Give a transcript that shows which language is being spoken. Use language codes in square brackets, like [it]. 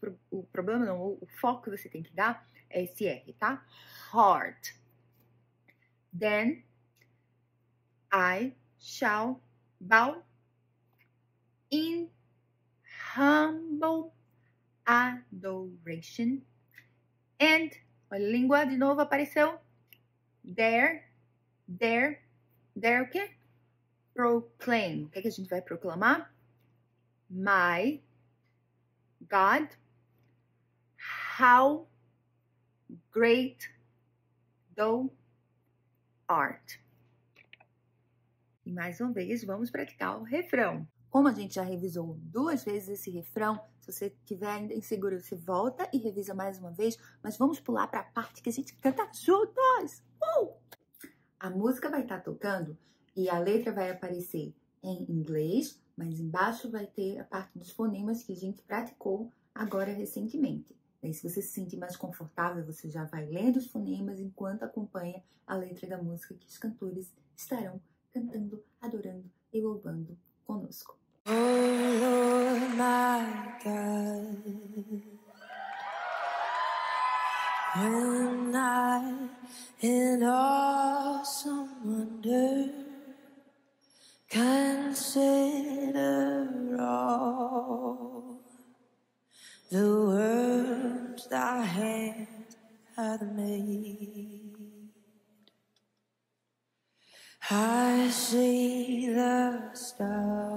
[pt] O problema não, o foco que você tem que dar é esse R, tá? [en] Heart. Then I shall bow in humble adoration and [pt] Olha, língua de novo apareceu. Dare, dare, dare o quê? Proclaim. O que é que a gente vai proclamar? [en] My God, how great thou art. [pt] E mais uma vez, vamos praticar o refrão. Como a gente já revisou duas vezes esse refrão, se você estiver ainda inseguro, você volta e revisa mais uma vez. Mas vamos pular para a parte que a gente canta juntos. A música vai estar tocando e a letra vai aparecer em inglês, mas embaixo vai ter a parte dos fonemas que a gente praticou agora recentemente. Aí, se você se sentir mais confortável, você já vai lendo os fonemas enquanto acompanha a letra da música que os cantores estarão cantando, adorando e louvando conosco. [en] Oh, Lord, my God, when I in awesome wonder consider all the worlds thy hand hath made, I see the stars,